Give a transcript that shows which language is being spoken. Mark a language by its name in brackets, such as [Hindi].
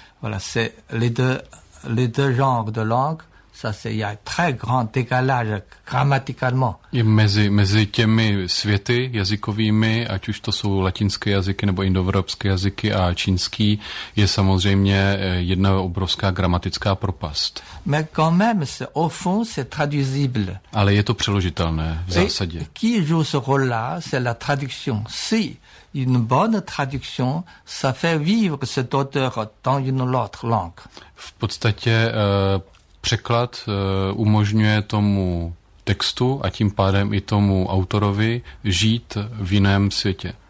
[French] Voilà, c'est les deux genres de langues. Il y a très grand décalage grammaticalement. [Czech] Mezi těmi světy jazykovými, ať už to jsou latinské jazyky nebo indoevropské jazyky a čínský, je samozřejmě jedna obrovská gramatická propast. [French] Mais quand même, au fond, c'est traduisible. [Czech] Ale je to přeložitelné v zásadě. [French] Et qui joue ce rôle-là, c'est la traduction. Si une bonne traduction, ça fait vivre cet auteur dans une autre langue. [Czech] V podstatě překlad umožňuje tomu textu a tím pádem i tomu autorovi žít v jiném světě.